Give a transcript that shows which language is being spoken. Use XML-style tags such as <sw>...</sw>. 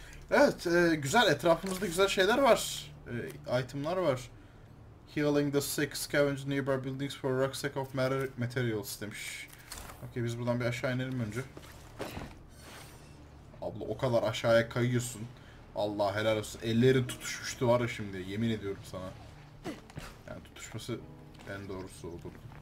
<tr>Evet, güzel, etrafımızda güzel şeyler var. Itemlar var.</tr> <en>Healing the sick, scavenge nearby buildings for rucksack of materials</en> <tr>demiş. Okey, biz buradan bir aşağı inelim önce. Abla o kadar aşağıya kayıyorsun. Allah helal olsun. Ellerin tutuşmuştu var ya şimdi, yemin ediyorum sana. Yani tutuşması en doğrusu olur.</tr>